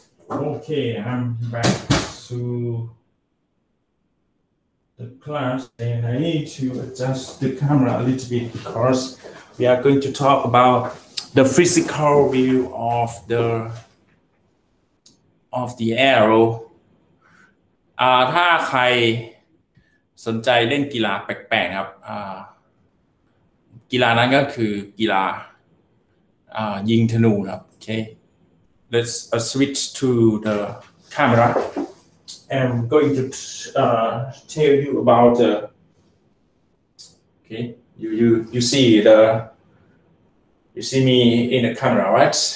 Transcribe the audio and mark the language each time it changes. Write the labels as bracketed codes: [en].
[en] Okay, I'm back to the class, and I need to adjust the camera a little bit because we are going to talk about the physical view of the arrow. [th] ถ้าใครสนใจเล่นกีฬาแปลกๆครับกีฬานั้นก็คือกีฬายิงธนูครับโอเค [en] Let's switch to the camera. I'm going to tell you about the. Okay, you see the. You see me in the camera, right?